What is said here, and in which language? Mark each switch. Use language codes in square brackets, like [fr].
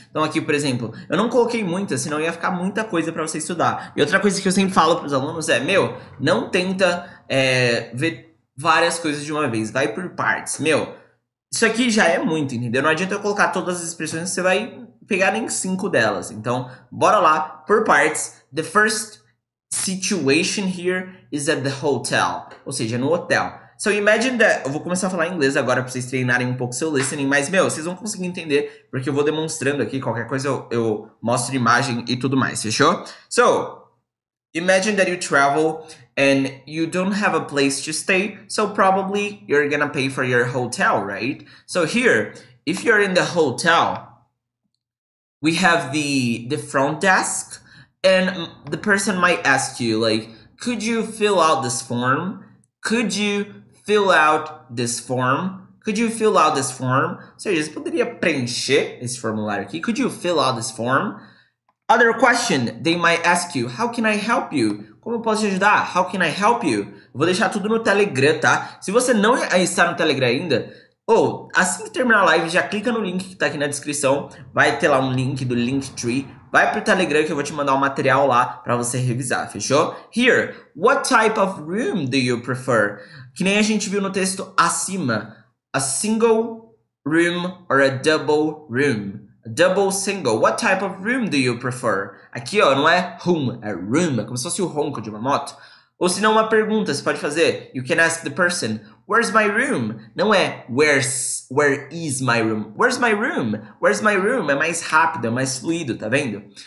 [pt] Então, aqui, por exemplo, eu não coloquei muita, senão ia ficar muita coisa pra você estudar. E outra coisa que eu sempre falo pros alunos é, meu, não tenta ver várias coisas de uma vez, vai por partes. Meu, isso aqui já é muito, entendeu? Não adianta eu colocar todas as expressões, você vai pegar nem 5 delas. Então, bora lá, por partes. [en] The first situation here is at the hotel. [pt] Ou seja, no hotel. [en] So imagine that, [pt] eu vou começar a falar inglês agora pra vocês treinarem um pouco seu listening, mas, meu, vocês vão conseguir entender, porque eu vou demonstrando aqui, qualquer coisa eu mostro imagem e tudo mais, fechou? [en] So, imagine that you travel and you don't have a place to stay, so probably you're gonna pay for your hotel, right? So here, if you're in the hotel, we have the front desk, and the person might ask you, like, could you fill out this form? Could you fill out this form? [pt] Ou seja, você poderia preencher esse formulário aqui? [en] Could you fill out this form? Other question, they might ask you, how can I help you? [pt] Como eu posso te ajudar? [en] How can I help you? [pt] Vou deixar tudo no Telegram, tá? Se você não está no Telegram ainda, ou assim que terminar a live, já clica no link que está aqui na descrição, vai ter lá um link do Linktree. Vai pro Telegram que eu vou te mandar um material lá pra você revisar, fechou? [en] Here, what type of room do you prefer? [pt] Que nem a gente viu no texto acima. [en] A single room or a double room? A double single. What type of room do you prefer? [pt] Aqui, ó, não é [en] room, é room. [pt] É como se fosse o ronco de uma moto. Ou se não, uma pergunta, você pode fazer. [en] You can ask the person, where's my room? [pt] Não é [en] where is my room? Where's my room? Where's my room? [pt] É mais rápido, é mais fluido, tá vendo?